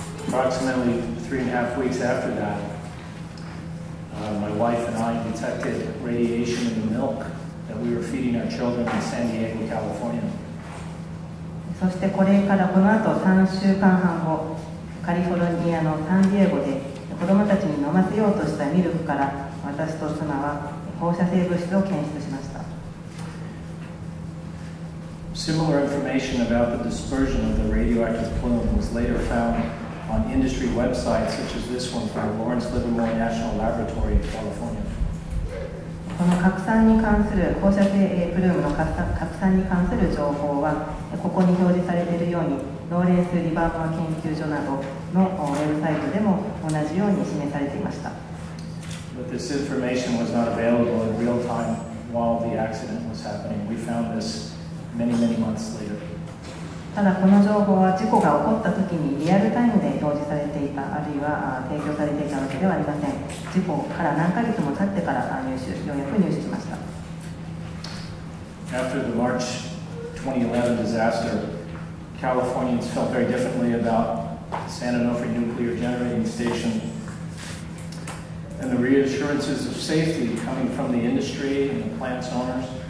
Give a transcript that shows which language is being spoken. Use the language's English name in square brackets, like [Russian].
[English] Approximately 3.5 weeks after that, my wife and I detected radiation in the milk that we were feeding our children in San Diego, California. [Japanese] そしてこれからこの後3週間半後、カリフォルニアのサンディエゴで子供たちに飲ませようとしたミルクから私と妻は放射性物質を検出しました。 [English] Similar information about the dispersion of the radioactive plume was later found. On industry websites such as this one from Lawrence Livermore National Laboratory in California. [Japanese] この拡散に関する放射性プルームの拡散に関する情報はここに表示されているようにローレンス・リバーモア研究所などのウェブサイトでも同じように示されていました。 [English] But this information was not available in real time while the accident was happening. We found this many, many months later. [Japanese] ただこの情報は事故が起こった時にリアルタイムで表示されていた、あるいは提供されていたわけではありません。事故から何ヶ月も経ってから入手、ようやく入手しました。 [English] After the March 2011 disaster, Californians felt very differently about San Onofre Nuclear Generating Station and the reassurances of safety coming from the industry and the plant's owners.